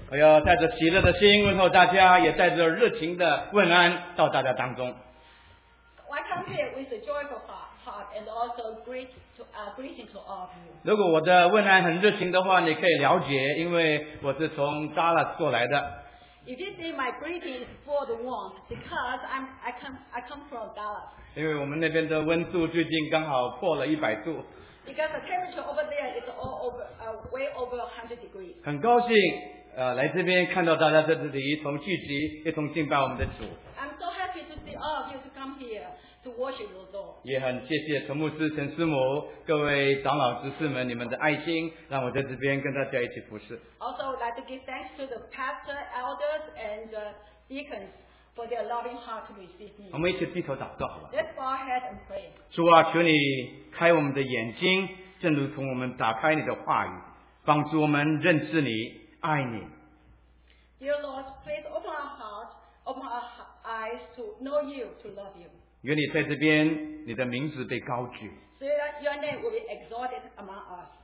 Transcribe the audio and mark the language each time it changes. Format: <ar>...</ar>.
<zh>我要带着喜乐的心问候大家，也带着热情的问安到大家当中。</zh> <en>I come here with a joyful heart and also greeting to all of you。</en> <zh>如果我的问安很热情的话，你可以了解，因为我是从 Dallas 过来的。</zh> <en>If you see my greeting is for the warmth, because I come from Dallas。</en> <zh>因为我们那边的温度最近刚好破了100度。</zh> <en>Because the temperature over there is all over, way over 100 degrees.</en> <zh>很高兴，来这边看到大家在这里一同聚集，一同敬拜我们的主。</zh> <en>I'm so happy to see all of you to come here to worship the Lord.</en> <zh>也很谢谢陈牧师、陈师母、各位长老、执事们，你们的爱心，让我在这边跟大家一起服侍。</zh> <en>Also, I'd like to give thanks to the pastor, elders, and deacons. For their loving heart to receive me.</en> <zh>我们一起低头祷告好了。</zh> <en>Let's bow our heads and pray.</en> <zh>主啊，求你开我们的眼睛，正如同我们打开你的话语，帮助我们认识你，爱你。</zh> <en>Dear Lord, please open our heart, open our eyes to know you, to love you.</en> <zh>愿你在这边，你的名字被高举。</zh> <en>So your name will be exalted among us.</en>